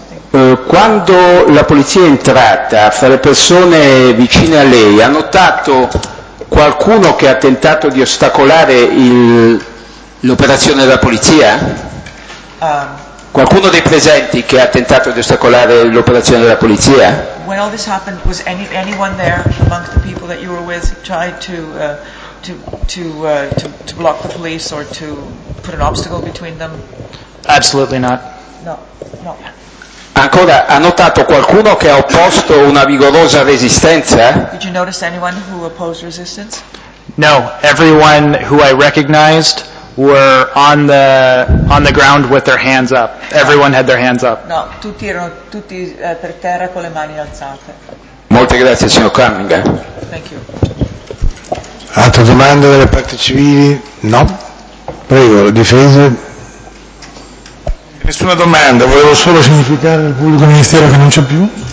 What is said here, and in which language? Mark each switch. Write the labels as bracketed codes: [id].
[it] Quando la polizia è entrata fra le persone vicine a lei, ha notato qualcuno che ha tentato di ostacolare l'operazione della polizia? Qualcuno dei presenti che ha tentato di ostacolare l'operazione della polizia? [en] When all this happened, was anyone there amongst the people that you were with tried to block the police or to put an obstacle between them? Absolutely not. [it] No. Ancora, ha notato qualcuno che ha opposto una vigorosa resistenza? [en] Did you notice anyone who opposed resistance? No, everyone who I recognized were on the ground with their hands up. Everyone had their hands up. [it] No, tutti erano tutti per terra con le mani alzate. Molte grazie, signor Cunningham. [en] Thank you. [it] Altre domande delle parti civili? No. Prego, la difesa. Nessuna domanda, volevo solo significare al pubblico ministero che non c'è più.